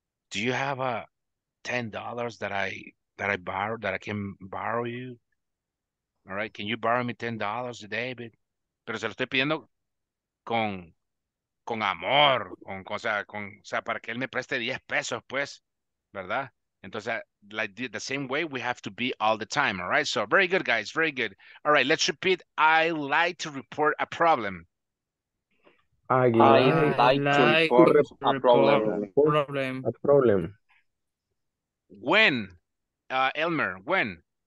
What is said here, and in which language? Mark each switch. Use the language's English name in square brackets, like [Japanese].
[English] Do you have a $10 that I can borrow you? All right, can you borrow me $10, David? [Spanish] Pero se lo estoy pidiendo con amor, con, o sea, para que él me preste 10 pesos, pues, ¿verdad? [English] Entonces, like the same way we have to be all the time, all right? So, very good, guys, very good. All right, let's repeat. I like to report a problem. I like to report a problem. When? Elmer, when?